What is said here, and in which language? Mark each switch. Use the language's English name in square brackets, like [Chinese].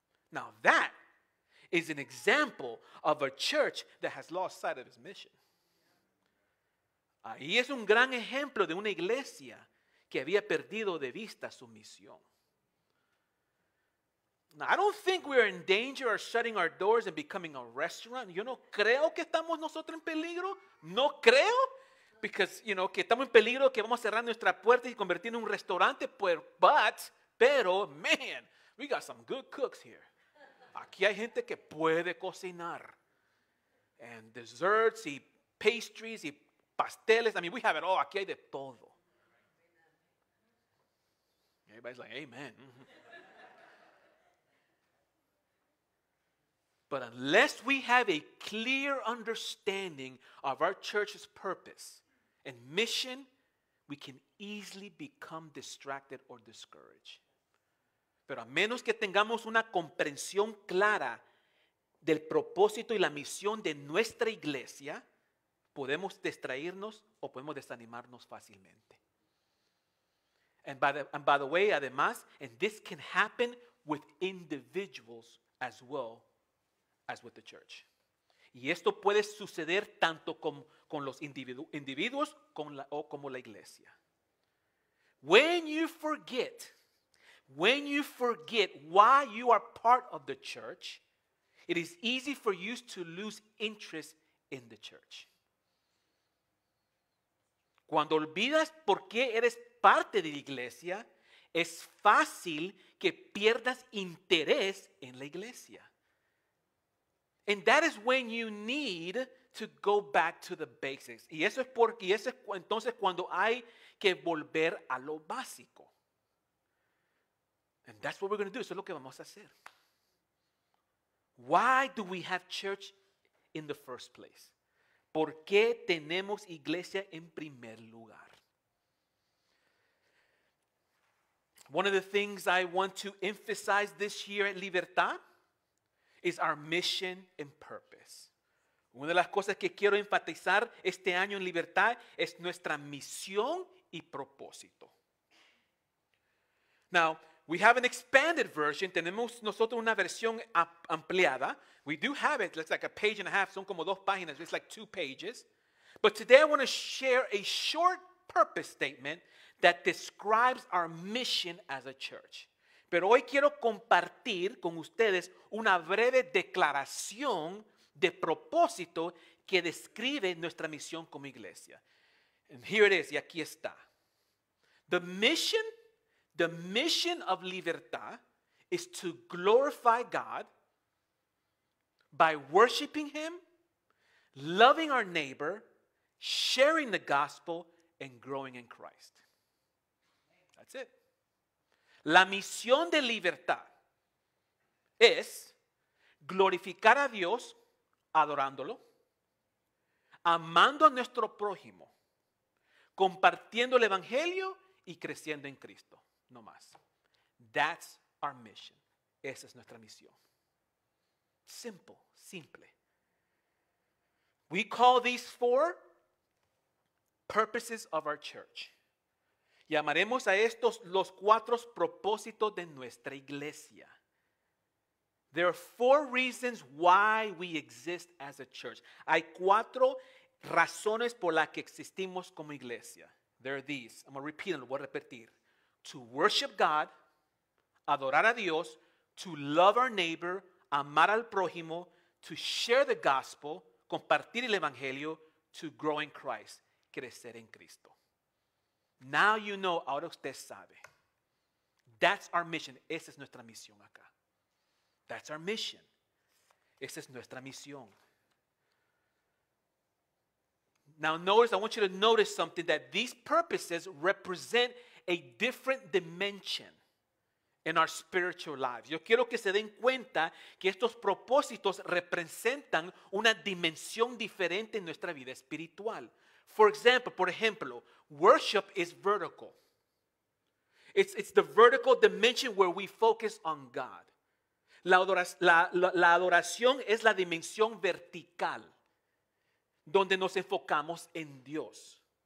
[English] Now that is an example of a church that has lost sight of its mission. [Spanish] Ahí es un gran ejemplo de una iglesia que había perdido de vista su misión. [English] Now, I don't think we are in danger of shutting our doors and becoming a restaurant. [Spanish] Yo no creo que estamos nosotros en peligro. No creo. [English] Because, you know, [Spanish] que estamos en peligro que vamos a cerrar nuestra puerta y convertir en un restaurante. Pero, [English] man, we got some good cooks here. [Spanish] Aquí hay gente que puede cocinar. [English] And desserts [Spanish] y [English] pastries [Spanish] y pasteles. [English] I mean, we have it all. [Spanish] Aquí hay de todo. [English] Everybody's like, amen. But unless we have a clear understanding of our church's purpose and mission, we can easily become distracted or discouraged. [Spanish] Pero a menos que tengamos una comprensión clara del propósito y la misión de nuestra iglesia, podemos distraernos o podemos desanimarnos fácilmente. [English] And by the way, [Spanish] además, [English] and this can happen with individuals as well as with the church. [Spanish] Y esto puede suceder tanto con los individuos como la iglesia. [English] When you forget When you forget why you are part of the church, it is easy for you to lose interest in the church. [Spanish] Cuando olvidas por qué eres parte de la iglesia, es fácil que pierdas interés en la iglesia. [English] And that is when you need to go back to the basics. [Spanish] Y eso es porque, y eso es entonces cuando hay que volver a lo básico. [English] And that's what we're going to do. [Spanish] Eso es lo que vamos a hacer. [English] Why do we have church in the first place? [Spanish] ¿Por qué tenemos iglesia en primer lugar? [English] One of the things I want to emphasize this year at Libertad is our mission and purpose. [Spanish] Una de las cosas que quiero enfatizar este año en Libertad es nuestra misión y propósito. [English] Now, we have an expanded version. [Spanish] Tenemos nosotros una versión ampliada. [English] We do have it. It's like a page and a half. [Spanish] Son como dos páginas. [English] It's like two pages. But today I want to share a short purpose statement that describes our mission as a church. [Spanish] Pero hoy quiero compartir con ustedes una breve declaración de propósito que describe nuestra misión como iglesia. [English] And here it is. [Spanish] Y aquí está. [English] The mission of Libertad is to glorify God by worshiping Him, loving our neighbor, sharing the gospel, and growing in Christ. That's it. [Spanish] La misión de Libertad es glorificar a Dios adorándolo, amando a nuestro prójimo, compartiendo el evangelio y creciendo en Cristo. No más. [English] That's our mission. [Spanish] Esa es nuestra misión. [English] Simple, simple. We call these four purposes of our church. [Spanish] Llamaremos a estos los cuatro propósitos de nuestra iglesia. [English] There are four reasons why we exist as a church. [Spanish] Hay cuatro razones por las que existimos como iglesia. [English] There are these. I'm going to repeat them. [Spanish] Lo voy a repetir. [English] To worship God, [Spanish] adorar a Dios, [English] to love our neighbor, [Spanish] amar al prójimo, [English] to share the gospel, [Spanish] compartir el evangelio, [English] to grow in Christ, [Spanish] crecer en Cristo. [English] Now you know, [Spanish] ahora usted sabe. [English] That's our mission. [Spanish] Esa es nuestra misión acá. [English] That's our mission. [Spanish] Esa es nuestra misión. [English] Now notice, I want you to notice something, that these purposes represent a different dimension in our spiritual lives. [Spanish] Yo quiero que se den cuenta que estos propósitos representan una dimensión diferente en nuestra vida espiritual. Por ejemplo, [English] worship is vertical. It's the vertical dimension where we focus on God. [Spanish] La adoración es la dimensión vertical donde nos enfocamos en Dios.